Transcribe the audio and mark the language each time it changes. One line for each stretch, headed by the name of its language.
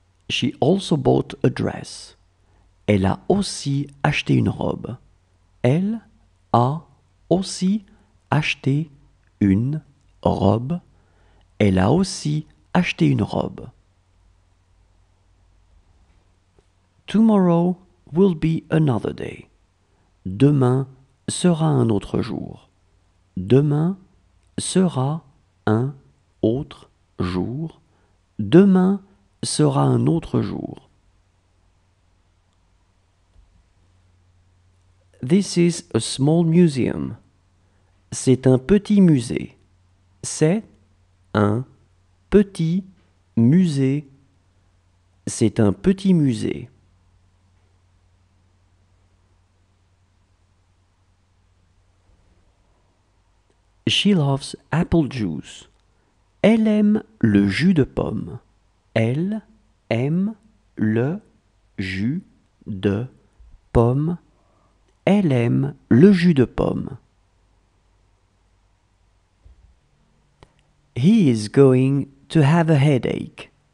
English: She also bought a dress.
French: Elle a aussi acheté une robe. Elle a aussi acheté une robe. Elle a aussi acheté une robe.
English: Tomorrow will be another day.
French: Demain sera un autre jour. Demain sera un autre jour. Demain sera un autre jour.
English: This is a small museum.
French: C'est un petit musée. C'est un petit musée. C'est un petit musée.
English: She loves apple juice.
French: Elle aime le jus de pomme. Elle aime le jus de pomme. elle aime le jus de pomme.
English: He is going to have a headache.